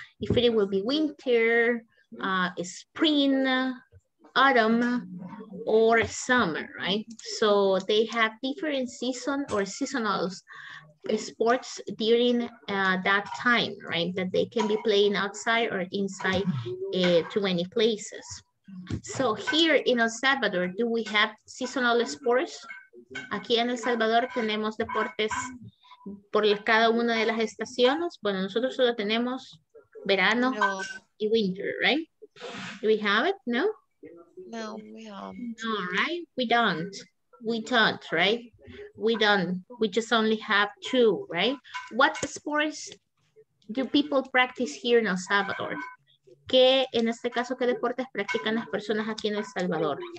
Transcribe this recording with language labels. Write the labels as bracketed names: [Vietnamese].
[English] If it will be winter, spring, autumn, or summer, right? So they have different season or seasonals. Sports during that time, right, that they can be playing outside or inside to any places. So here in El Salvador, do we have seasonal sports? [Spanish] Aquí en El Salvador tenemos deportes por cada una de las estaciones. Bueno, nosotros solo tenemos verano y [English] winter, right? Do we have it? [Spanish] No? [English] No, we don't. No, right? We don't. We don't, right? We don't. We just only have 2, right? What sports do people practice here in El Salvador? [Spanish] ¿Qué, en este caso, qué deportes practican las personas aquí en El Salvador?